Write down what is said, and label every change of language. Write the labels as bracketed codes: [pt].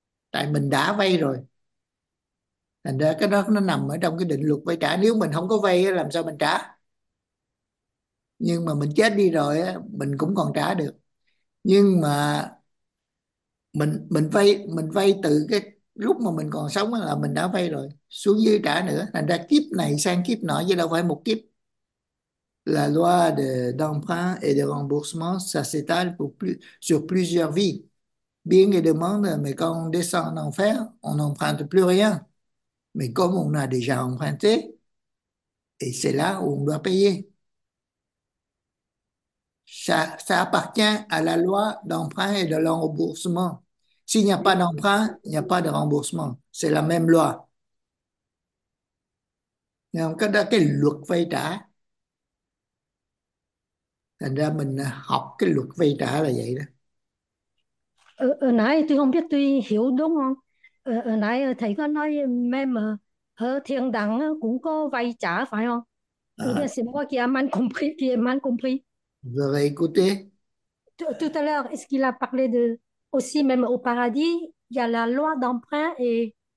[vi] Tại mình đã vay rồi. Thành ra cái đó nó nằm ở trong cái định luật vay trả, nếu mình không có vay làm sao mình trả? Nhưng mà mình chết đi rồi á, mình cũng còn trả được. Nhưng mà mình vay từ cái lúc mà mình còn sống là mình đã vay rồi, xuống dưới trả nữa, thành ra kiếp này sang kiếp nọ chứ đâu phải một kiếp. [fr] La loi de d'emprunt et de remboursement, ça s'étale sur plusieurs vies. Bien que demande, mais quand on descend en enfer, on n'emprunte plus rien. Mais comme on a déjà emprunté, et c'est là où on doit payer. Ça appartient à la loi d'emprunt et de remboursement. S'il n'y a pas d'emprunt, il n'y a pas de remboursement. C'est la même loi. [vi] Cái luật vay trả. Thành ra mình học cái luật vay trả là vậy đó. Ở nãy tôi không biết tôi hiểu đúng không? Ở nãy thầy có nói mềm thiên đẳng cũng có vay trả phải không? [fr] Ou bien c'est moi qui a mal compris, qui ai mal compris. Vous avez écouté? Tout à l'heure, est-ce qu'il a parlé de aussi, même au paradis, il y a la loi d'emprunt et...